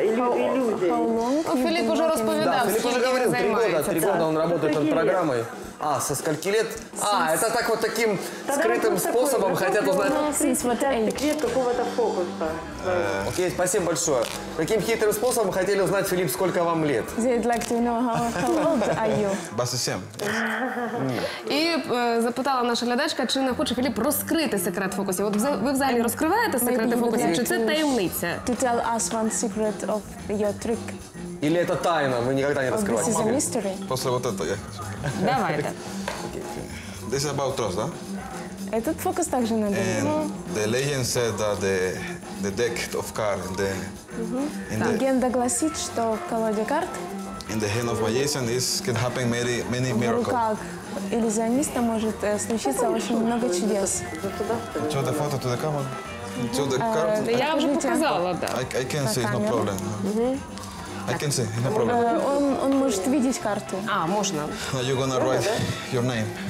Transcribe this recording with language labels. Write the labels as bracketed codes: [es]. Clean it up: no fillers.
[ru] Филипп уже расповедал, да, Филипп уже говорил, три года он работает над программой. А, со скольки лет? А, это так вот таким скрытым способом хотят узнать. Секрет какого-то фокуса. Окей, спасибо большое. Каким хитрым способом хотели узнать, Филипп, сколько вам лет? [en] They'd like to know how old are you. 27. [uk] И запитала наша глядачка, чи не хоче Филипп розкрити секрет фокусів. Вот ви взагалі розкриваєте секрети фокусів, чи це таємниця? [en] To tell us one secret of your trick. [ru] Или это тайна, вы никогда не раскрываете? [en] This is a mystery. [ru] После вот этого я хочу. Давайте. [en] This is about trust, да? [ru] Этот фокус также надо. [en] The legend said that the deck of cards, the... [ru] Легенда гласит, что в колоде карт... [en] In the hand of magician, it can happen many miracles. [ru] В руках иллюзиониста может случиться очень много чудес. [en] Что, the photo to the camera? To the [ru] card? Я уже показала, да. [en] I can see, no problem. I can see, no problem. [ru] Он может видеть карту. А, можно. [en] You're gonna write your name.